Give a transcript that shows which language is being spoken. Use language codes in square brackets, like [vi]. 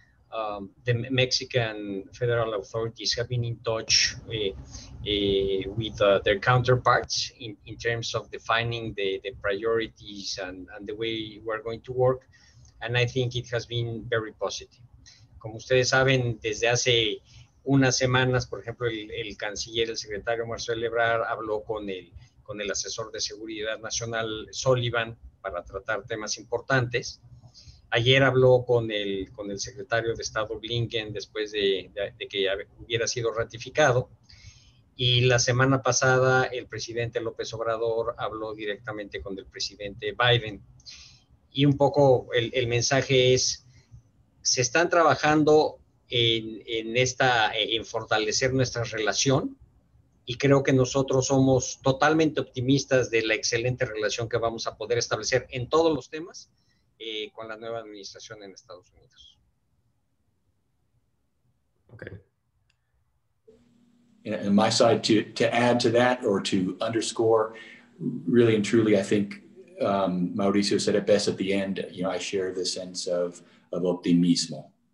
[en] The Mexican federal authorities have been in touch with their counterparts in terms of defining the priorities and the way we're going to work. And I think it has been very positive. [es] Como ustedes saben, desde hace unas semanas, por ejemplo, el canciller, el secretario Marcelo Ebrard, habló con el asesor de seguridad nacional, Sullivan, para tratar temas importantes. Ayer habló con el secretario de Estado, Blinken, después de que hubiera sido ratificado. Y la semana pasada, el presidente López Obrador habló directamente con el presidente Biden. Y un poco el mensaje es, se están trabajando en fortalecer nuestra relación, y creo que nosotros somos totalmente optimistas de la excelente relación que vamos a poder establecer en todos los temas con la nueva administración en Estados Unidos. [en] Okay. And my side to add to that, or to underscore, really and truly, I think Mauricio said it best at the end. You know, I share the sense of optimismo.